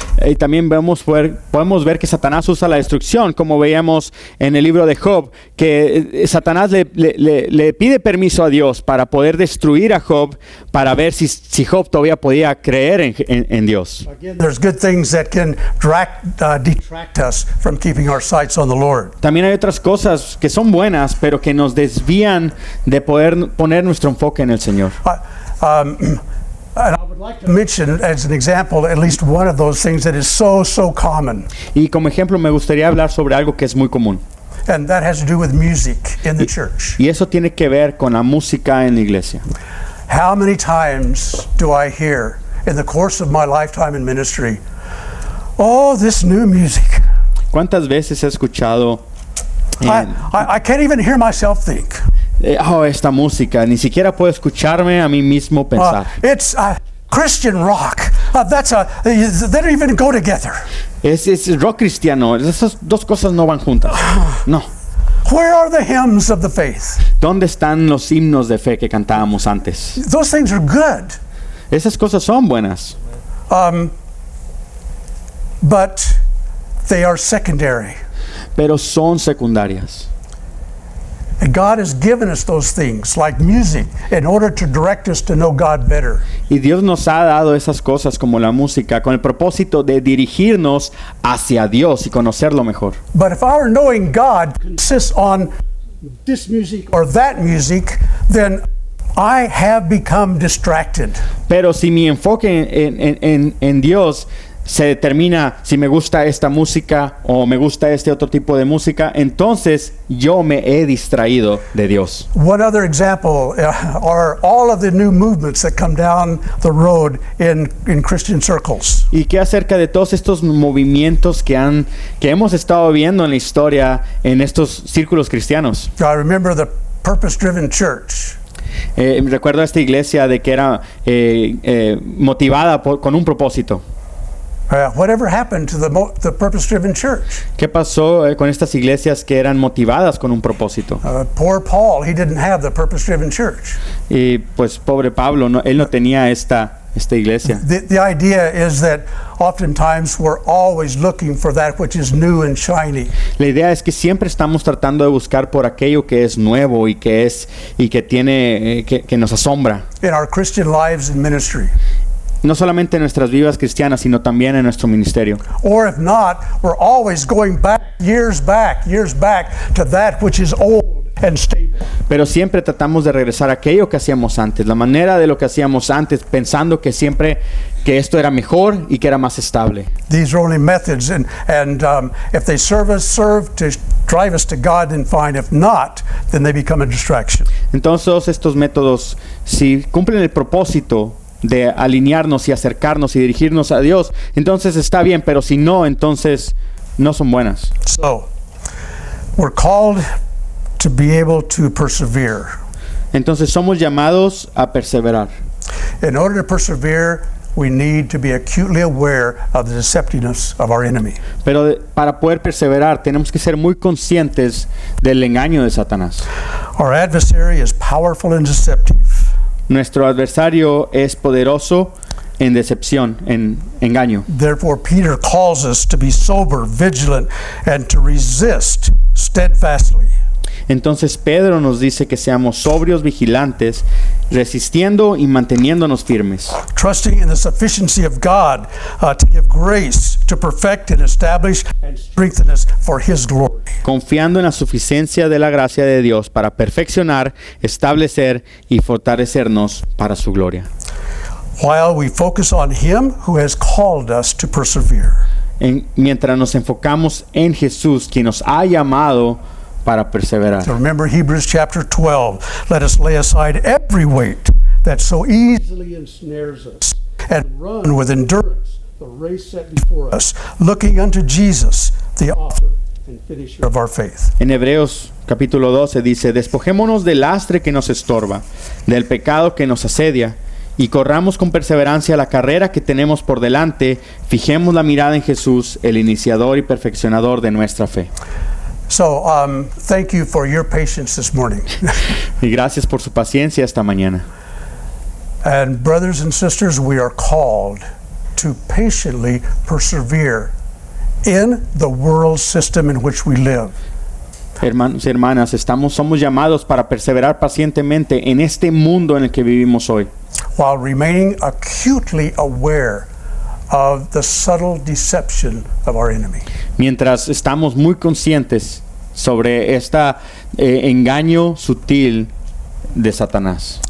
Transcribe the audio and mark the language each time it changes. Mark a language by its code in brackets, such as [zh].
[es] Y también podemos ver que Satanás usa la destrucción, como veíamos en el libro de Job, que Satanás le pide permiso a Dios para poder destruir a Job, para ver si Job todavía podía creer en Dios. [en] Again, there's good things that can detract us from keeping our sights on the Lord. [es] También hay otras cosas que son buenas, pero que nos desvían de poder poner nuestro enfoque en el Señor. [en] And I would like to mention as an example at least one of those things that is so common. [es] Y como ejemplo me gustaría hablar sobre algo que es muy común. [en] And that has to do with music in the church. [es] Y eso tiene que ver con la música en la iglesia. [en] How many times do I hear in the course of my lifetime in ministry, "Oh, this new music." [es] ¿Cuántas veces he escuchado? [en] I can't even hear myself think. [es] Esta música, ni siquiera puedo escucharme a mí mismo pensar. [en] It's a Christian rock. They don't even go together. [es] Es rock cristiano. Esas dos cosas no van juntas. No. [en] Where are the hymns of the faith? [es] ¿Dónde están los himnos de fe que cantábamos antes? [en] Those things are good. [es] Esas cosas son buenas. [en] But they are secondary. [es] Pero son secundarias. [en] And God has given us those things, like music, in order to direct us to know God better. [es] Y Dios nos ha dado esas cosas como la música, con el propósito de dirigirnos hacia Dios y conocerlo mejor. [en] But if our knowing God consists on this music or that music, then I have become distracted. [es] Pero si mi enfoque en Dios se determina si me gusta esta música o me gusta este otro tipo de música, entonces yo me he distraído de Dios. [en] One other example are all of the new movements that come down the road in Christian circles. [es] ¿Y qué acerca de todos estos movimientos que hemos estado viendo en la historia en estos círculos cristianos? [en] I remember the purpose-driven church. [es] Recuerdo a esta iglesia de que era motivada con un propósito. [en] Whatever happened to the purpose-driven church? [es] ¿Qué pasó con estas iglesias que eran motivadas con un propósito? [en] Poor Paul, he didn't have the purpose-driven church. [es] Y pues pobre Pablo, no, él no tenía esta iglesia. [en] The idea is that oftentimes we're always looking for that which is new and shiny. [es] La idea es que siempre estamos tratando de buscar por aquello que es nuevo y que es y que tiene que nos asombra. [en] In our Christian lives and ministry. [es] No solamente en nuestras vidas cristianas, sino también en nuestro ministerio. [en] Or if not, we're always going back years back to that which is old. [es] Pero siempre tratamos de regresar a aquello que hacíamos antes, la manera de lo que hacíamos antes, pensando que siempre que esto era mejor y que era más estable. [en] These are only methods, and if they serve us, serve to drive us to God, then fine. If not, then they become a distraction. [es] Entonces estos métodos, si cumplen el propósito de alinearnos y acercarnos y dirigirnos a Dios, entonces está bien. Pero si no, entonces no son buenas. [en] So, we're called to be able to persevere. [es] Entonces somos llamados a perseverar. [en] In order to persevere, we need to be acutely aware of the deceptiveness of our enemy. [es] Pero para poder perseverar, tenemos que ser muy conscientes del engaño de Satanás. [en] Our adversary is powerful and deceptive. [es] Nuestro adversario es poderoso en decepción, en engaño. [en] Therefore, Peter calls us to be sober, vigilant, and to resist steadfastly. [es] Entonces Pedro nos dice que seamos sobrios, vigilantes, resistiendo y manteniéndonos firmes. [en] Trusting in the sufficiency of God to give grace to perfect and establish and strengthen us for His glory. [es] Confiando en la suficiencia de la gracia de Dios para perfeccionar, establecer y fortalecernos para su gloria. [en] While we focus on Him who has called us to persevere. [es] Mientras nos enfocamos en Jesús, quien nos ha llamado para perseverar. [en] So remember Hebrews chapter 12. Let us lay aside every weight that so easily ensnares us and run with endurance the race set before us, looking unto Jesus, the author and finisher of our faith. [es] En Hebreos capítulo 12 dice, despojémonos del lastre que nos estorba, del pecado que nos asedia, y corramos con perseverancia la carrera que tenemos por delante, fijemos la mirada en Jesús, el iniciador y perfeccionador de nuestra fe. [en] So, thank you for your patience this morning. [es] Y gracias por su paciencia esta mañana. [en] And brothers and sisters, we are called to patiently persevere in the world system in which we live. [es] Hermanos y hermanas, somos llamados para perseverar pacientemente en este mundo en el que vivimos hoy. [en] While remaining acutely aware of the subtle deception of our enemy. [es] Mientras estamos muy conscientes sobre esta engaño sutil de Satanás.